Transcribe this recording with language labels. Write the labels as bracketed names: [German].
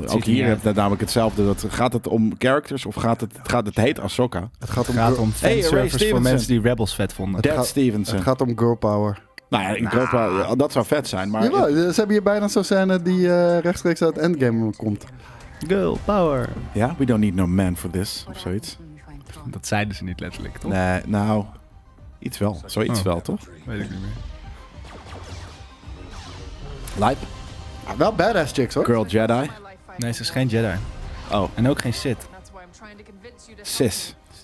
[Dutch] Het ook hier heb je namelijk hetzelfde. Dat, gaat het om characters of gaat het heet Ahsoka? Het gaat om fanservice voor mensen die Rebels vet vonden. Dad Stevenson. Het gaat om girl power. Nou ja, dat zou vet zijn. Maar jawel, ze hebben hier bijna zo'n scène die rechtstreeks uit Endgame komt. [English] Girl power. Ja, yeah, we don't need no man for this, [Dutch] of zoiets. Dat zeiden ze niet letterlijk, toch? Nee, nou, iets wel. Zoiets wel, toch? Weet ik niet meer. Lijp. Ah, wel [English] badass chicks, [Dutch] hoor. [English] Girl Jedi. [Dutch] Nee, ze is geen Jedi. Oh. En ook geen Sith. Sis.